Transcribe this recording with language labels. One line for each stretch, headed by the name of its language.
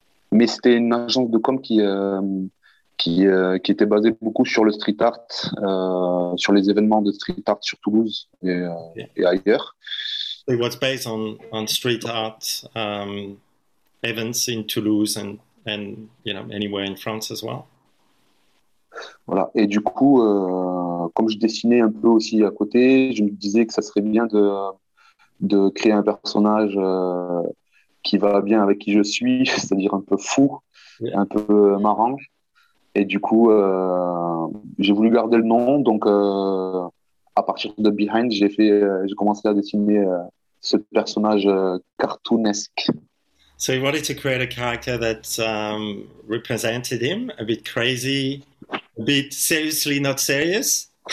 French: Mais c'était une agence de com qui était basé beaucoup sur le street art, sur les événements de street art sur Toulouse et ailleurs.
English: It was based on street art events in Toulouse and you know anywhere in France as well.
French: Voilà. Et du coup, comme je dessinais un peu aussi à côté, je me disais que ça serait bien de créer un personnage qui va bien avec qui je suis, c'est-à-dire un peu fou, yeah, un peu marrant. Et du coup, j'ai voulu garder le nom. Donc, à partir de Behind, j'ai commencé à dessiner ce personnage cartoonesque.
English: So he wanted to create a character that represented him, a bit crazy, a bit seriously not serious.